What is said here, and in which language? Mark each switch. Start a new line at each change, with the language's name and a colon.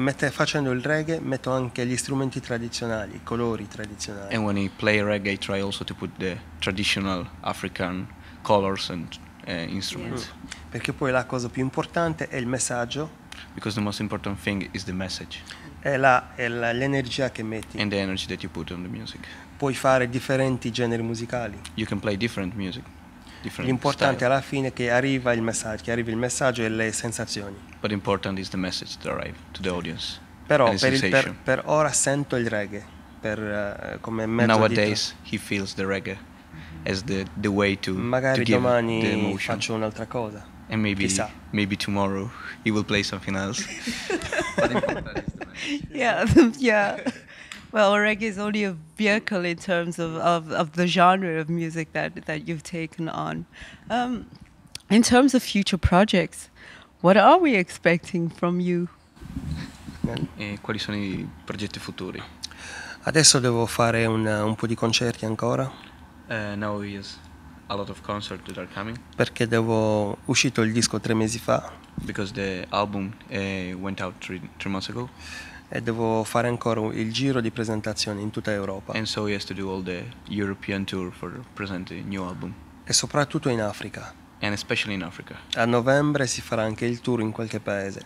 Italian: Facendo il reggae metto anche gli strumenti tradizionali, i colori tradizionali.
English: And when he play reggae, I try also to put the traditional African colors and instruments. Mm.
Italian: Perché poi la cosa più importante è il messaggio.
English: Because the most important thing is the message.
Italian: È l'energia che metti.
English: And the energy that you put on the music.
Italian: Puoi fare differenti generi musicali.
English: You can play different music.
Italian: L'importante
English: style.
Italian: Alla fine che arriva il messaggio, e le sensazioni.
English: But important is the message that arrive to the audience.
Italian: Però per ora sento il reggae come mezzo.
English: Nowadays he feels the reggae as the way to.
Italian: Magari
English: to give
Italian: domani
English: the emotion.
Italian: Faccio un'altra cosa.
English: And maybe
Italian: chissà.
English: Maybe tomorrow he will play something else. But important is the message. Yeah. Well, reggae is only a vehicle in terms of the genre of music that you've taken on. In terms of future projects, what are we expecting from you?
Italian: E quali sono i progetti futuri? Adesso devo fare un po' di concerti ancora.
English: Now he has a lot of concerts that are coming.
Italian: Perché devo uscito il disco 3 mesi fa.
English: Because the album went out three months ago.
Italian: E devo fare ancora il giro di presentazione in tutta Europa.
English: And so he has to do all the European tour for present the new album.
Italian: E soprattutto in Africa.
English: And especially in Africa.
Italian: A novembre si farà anche il tour in qualche paese.